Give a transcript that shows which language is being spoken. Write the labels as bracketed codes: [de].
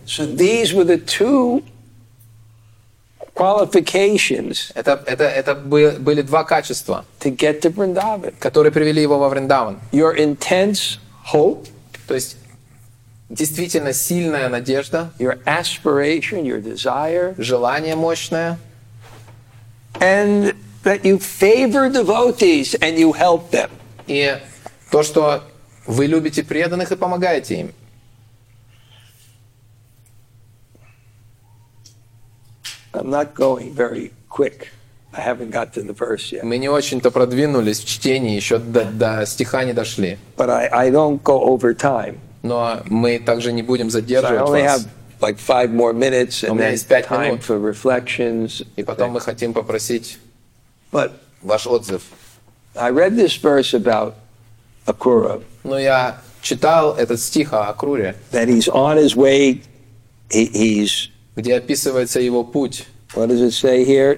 [en] So these were the two qualifications. [ru] Это были два качества, [en] to get to Vrindavan, [ru] которые привели его во Вриндаван. [en] Your intense hope, [ru] то есть действительно сильная надежда. [en] Your aspiration, your desire, [ru] желание мощное. [en] and that you favor devotees and you help them. [ru] И то, что вы любите преданных и помогаете им. [en] I'm not going very quick. I haven't got to the verse yet. [ru] Мы не очень-то продвинулись в чтении, еще до стиха не дошли. [en] But I don't go over time. [ru] Но мы также не будем задерживать вас. [en] So I only have like 5 more minutes and then time for reflections. [ru] И потом мы хотим попросить ваш отзыв. [en] I read this verse about Акура. [ru] Но я читал этот стих о Акуре. [en] That he's on his way. He's [ru] где описывается его путь. [en] What does it say here?